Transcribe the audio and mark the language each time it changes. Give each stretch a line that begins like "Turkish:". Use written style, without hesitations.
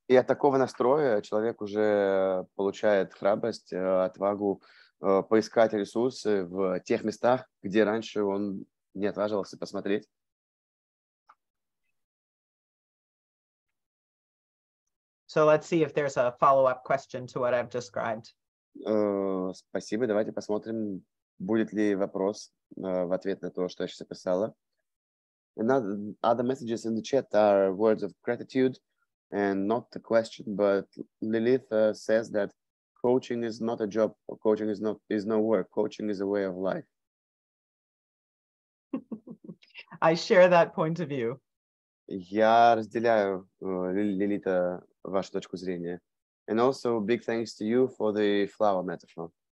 Russian: И от такого настроя человек уже получает храбрость, отвагу поискать ресурсы в тех местах, где раньше он не отваживался посмотреть.
English: So let's see if there's a follow-up question to what I've described.
Russian: Спасибо, давайте посмотрим. Будет ли вопрос в ответ на то, что я сейчас описала?
English: Other messages in the chat are words of gratitude and not a question, but Lilith says that coaching is not a job, coaching is no work, coaching is a way of life. I share that point of view.
Russian: Я разделяю, Лилита, вашу точку зрения.
English: And also big thanks to you for the flower metaphor.